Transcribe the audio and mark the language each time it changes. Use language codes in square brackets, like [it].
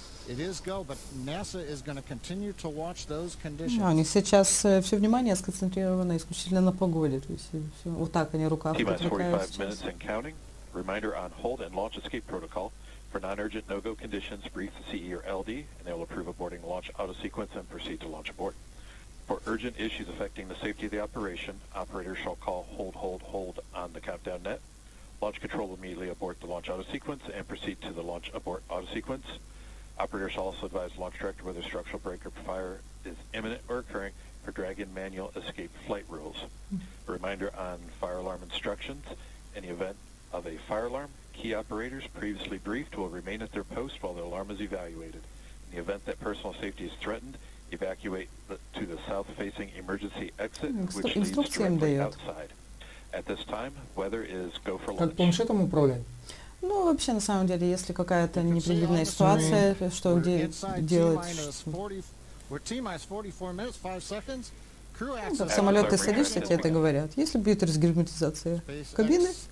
[en] It is go, but NASA is going to continue to watch those conditions. [ru] Они сейчас все внимание сконцентрировано исключительно на погоде. То есть все, вот так они рукав потрекают [en] For non-urgent no-go conditions, brief the CE or LD, and they will approve aborting launch auto-sequence and proceed to launch abort. For urgent issues affecting the safety of the operation, operators shall call hold, hold, hold on the countdown net. Launch control will immediately abort the launch auto-sequence and proceed to the launch abort auto-sequence. Operators shall also advise launch director whether structural break or fire is imminent or occurring for Dragon manual escape flight rules. A reminder on fire alarm instructions. In the event of a fire alarm, key operators previously briefed will remain at their post while the alarm is evaluated. In the event that personal safety is threatened, evacuate to the south-facing emergency exit, which leads directly outside. At this time, weather is go for launch. [ru] Как планшетом управлять? Ну, вообще, на самом деле, если какая-то непредвиденная ситуация, что делать? Ну, в самолет ты садишься, тебе это говорят. Если будет разгерметизация кабины,